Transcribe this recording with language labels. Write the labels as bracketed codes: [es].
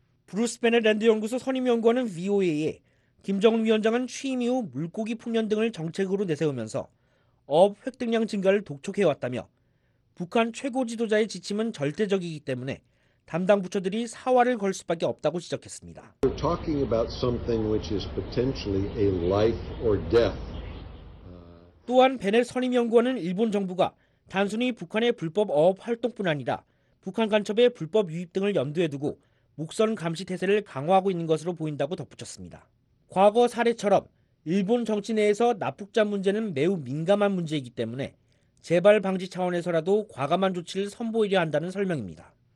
[ko] 브루스 베넷 랜드 연구소 선임연구원은 VOA에 김정은 위원장은 취임 이후 물고기 풍년 등을 정책으로 내세우면서 어업 획득량 증가를 독촉해왔다며 북한 최고 지도자의 지침은 절대적이기 때문에 담당 부처들이 사활을 걸 수밖에 없다고 지적했습니다. [en] We're talking about something which is potentially a life or death [ko] 또한 베넬 선임연구원은 일본 정부가 단순히 북한의 불법 어업 활동뿐 아니라 북한 간첩의 불법 유입 등을 염두에 두고 목선 감시 태세를 강화하고 있는 것으로 보인다고 덧붙였습니다. 과거 사례처럼 일본 정치 내에서 납북자 문제는 매우 민감한 문제이기 때문에 재발 방지 차원에서라도 과감한 조치를 선보이려 한다는 설명입니다.